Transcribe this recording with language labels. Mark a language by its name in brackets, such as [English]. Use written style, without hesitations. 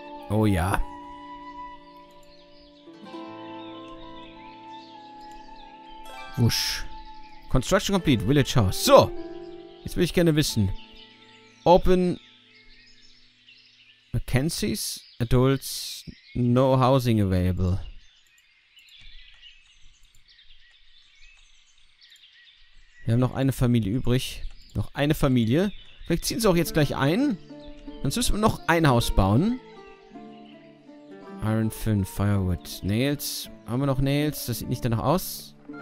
[German] Oh ja. [English] Wusch. Construction complete. Village House. So. [German] Jetzt will ich gerne wissen. [English] Open... Mackenzie's Adults, no housing available. [German] Wir haben noch eine Familie übrig. Noch eine Familie. Vielleicht ziehen sie auch jetzt gleich ein. Sonst müssen wir noch ein Haus bauen. Iron 5, Firewood, Nails. Haben wir noch Nails? Das sieht nicht danach aus.